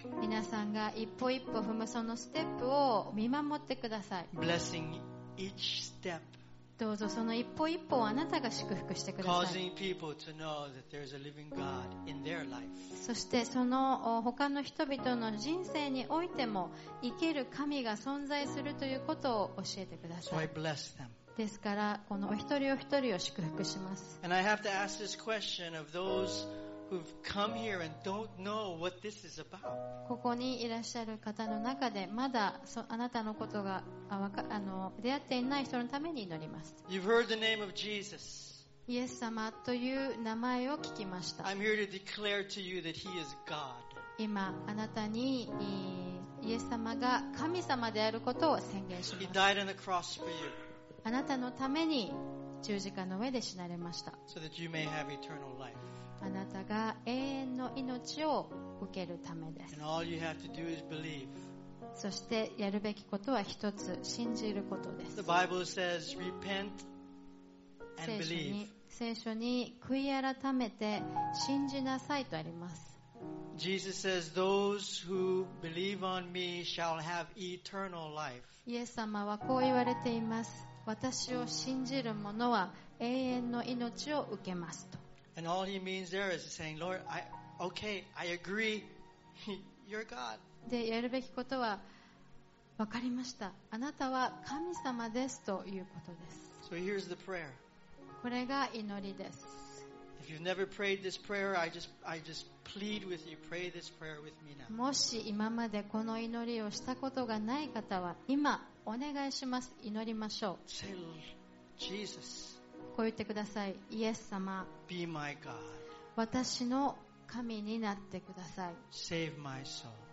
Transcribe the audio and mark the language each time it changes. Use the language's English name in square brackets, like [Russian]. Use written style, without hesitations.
[Japanese] 皆さんが一歩一歩踏むそのステップを見守ってください。 [English] Blessing each step. [Japanese] どうぞその一歩一歩をあなたが祝福してください。 [English] Causing people to know that there's a living God in their life. [Japanese] そしてその他の人々の人生においても生ける神が存在するということを教えてください。 [English] So I bless them. [Japanese] ですからこのお一人お一人を祝福します。 [English] And I have to ask this question of those who've come here and don't know what this is about. [Japanese] ここにいらっしゃる方の中でまだあなたのことが出会っていない人のために祈ります。 [English] You've heard the name of Jesus. [Japanese] イエス様という名前を聞きました。 [English] I'm here to declare to you that he is God. [Japanese] 今あなたにイエス様が神様であることを宣言します。 [English] He died on the cross for you. [Japanese] あなたのために十字架の上で死なれました。 [English] So that you may have eternal life. [Japanese] あなたが永遠の命を受けるためです。 [English] And all you have to do is believe. [Japanese] そしてやるべきことは一つ信じることです。 [English] The Bible says, repent and believe. [Japanese] 聖書に悔い改めて信じなさいとあります。 [English] Jesus says, those who believe on me shall have eternal life. [Japanese] イエス様はこう言われています。私を信じる者は永遠の命を受けますと。 [English] And all he means there is saying, Lord, I agree. You're God. [Japanese] で、やるべきことは分かりました。あなたは神様ですということです。 [English] So here's the prayer. [Japanese] これが祈りです。 [English] If you've never prayed this prayer, I just plead with you, pray this prayer with me now. [Japanese] もし今までこの祈りをしたことがない方は、今お願いします。祈りましょう。 [English] Say, Jesus. [Japanese] こう言ってください。イエス様、 [English] Be my God. [Japanese] 私の神になってください。 [English] Save my soul.